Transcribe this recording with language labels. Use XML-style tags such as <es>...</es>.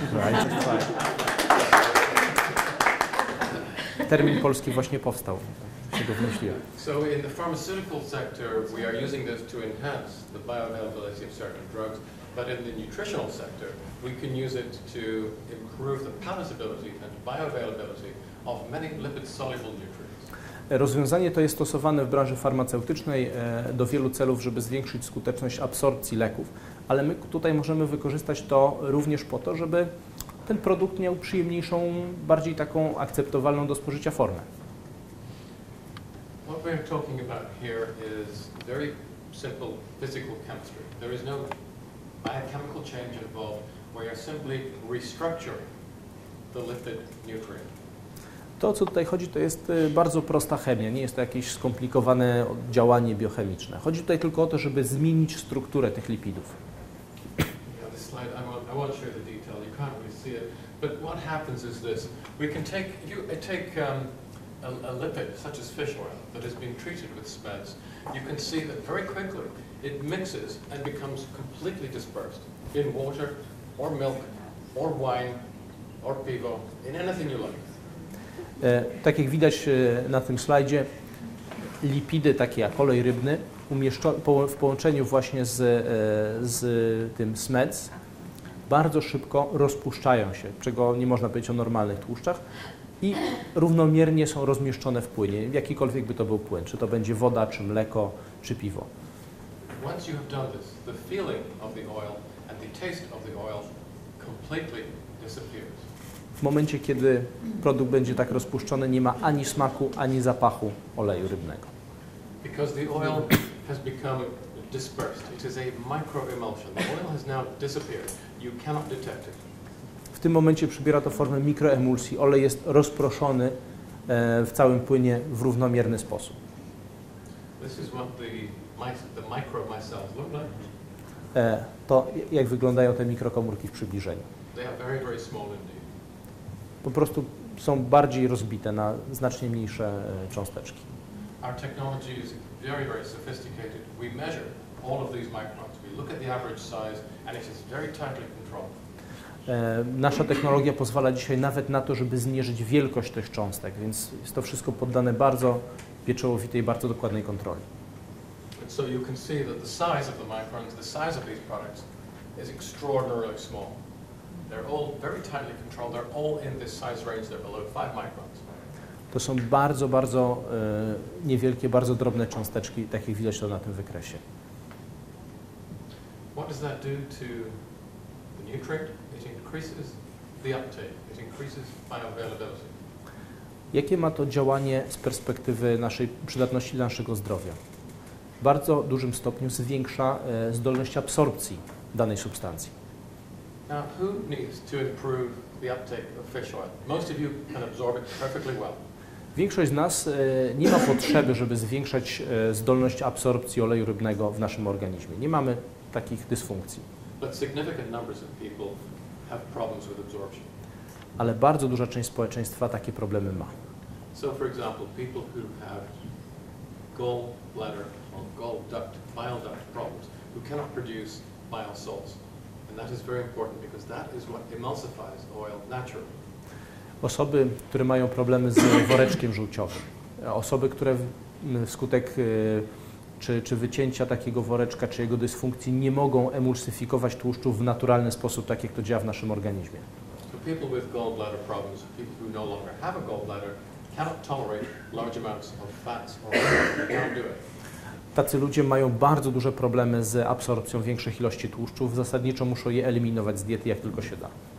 <en>Right.</en> <pl>Termin polski właśnie powstał. Się go wymyśliłem.</pl> <en>So in the pharmaceutical sector we are using this to enhance the bioavailability of certain drugs, but in the nutritional sector we can use it to improve the palatability and bioavailability of many lipid soluble nutrients.</en> <pl>Rozwiązanie to jest stosowane w branży farmaceutycznej do wielu celów, żeby zwiększyć skuteczność absorpcji leków. Ale my tutaj możemy wykorzystać to również po to, żeby ten produkt miał przyjemniejszą, bardziej taką akceptowalną do spożycia formę.</pl> <en>What we're talking about here is very simple physical chemistry. There is no biochemical change involved. We are simply restructuring the lipid nutrient.</en> <pl>To, co tutaj chodzi, to jest bardzo prosta chemia, nie jest to jakieś skomplikowane działanie biochemiczne. Chodzi tutaj tylko o to, żeby zmienić strukturę tych lipidów.</pl> <en>slide. I won't show you the detail. You can't really see it. But what happens is this: we can take a lipid such as fish oil that has been treated with SMEDs. You can see that very quickly it mixes and becomes completely dispersed in water, or milk, or wine, or pivo, in anything you like.</en> <pl>Tak jak widać na tym slajdzie, lipidy takie jak olej rybny w połączeniu właśnie z tym SMEDS bardzo szybko rozpuszczają się, czego nie można powiedzieć o normalnych tłuszczach, i równomiernie są rozmieszczone w płynie, jakikolwiek by to był płyn, czy to będzie woda, czy mleko, czy piwo.</pl> <en>Once you have done this, the feeling of the oil and the taste of the oil completely disappears.</en> <pl>W momencie, kiedy produkt będzie tak rozpuszczony, nie ma ani smaku, ani zapachu oleju rybnego.</pl> <en>Because the oil has become dispersed. It is a microemulsion. The oil has now disappeared. You cannot detect it.</en> <pl>W tym momencie przybiera to formę mikroemulsji. Olej jest rozproszony w całym płynie w równomierny sposób.</pl> <en>This is what the micro-micelles look like.</en> <pl>To jak wyglądają te mikrokomórki w przybliżeniu.</pl> <en>They are very, very small indeed.</en> <pl>Po prostu są bardziej rozbite na znacznie mniejsze cząsteczki.</pl> <en>Our technology is very, very sophisticated. We measure all of these microns. We look at the average size and it is very tightly controlled.</en> <pl>Nasza technologia pozwala dzisiaj nawet na to, żeby zmierzyć wielkość tych cząstek, więc jest to wszystko poddane bardzo pieczołowitej, bardzo dokładnej kontroli.</pl> <en>So you can see that the size of the microns, the size of these products is extraordinarily small. They're all very tightly controlled. They're all in this size range. They're below 5 microns.</en> <pl>To są bardzo, bardzo niewielkie, bardzo drobne cząsteczki, tak jak widać to na tym wykresie.</pl> <en>What does that do to the nutrient? It increases the uptake. It increases bioavailability.</en> <pl>Jakie ma to działanie z perspektywy naszej przydatności dla naszego zdrowia? W bardzo dużym stopniu zwiększa zdolność absorpcji danej substancji.</pl> <en>Now, who needs to improve the uptake of fish oil? Most of you can absorb it perfectly well.</en> <pl>Większość z nas nie ma potrzeby, żeby zwiększać zdolność absorpcji oleju rybnego w naszym organizmie. Nie mamy takich dysfunkcji.</pl> <en>But significant numbers of people have problems with absorption.</en> <pl>Ale bardzo duża część społeczeństwa takie problemy ma.</pl> <en>So, for example, people who have gallbladder or gall duct, bile duct problems, who cannot produce bile salts. And that is very important because that is what emulsifies oil naturally.</en> <pl>Osoby, które mają problemy z woreczkiem żółciowym, osoby, które wskutek czy wycięcia takiego woreczka, czy jego dysfunkcji nie mogą emulsyfikować tłuszczów w naturalny sposób, tak jak to działa w naszym organizmie.</pl> <en>So people with gallbladder problems, people who no longer have a gallbladder, cannot tolerate large amounts of fats or oil. They can't do it.</en> <pl>Tacy ludzie mają bardzo duże problemy z absorpcją większych ilości tłuszczów. Zasadniczo muszą je eliminować z diety, jak tylko się da.</pl>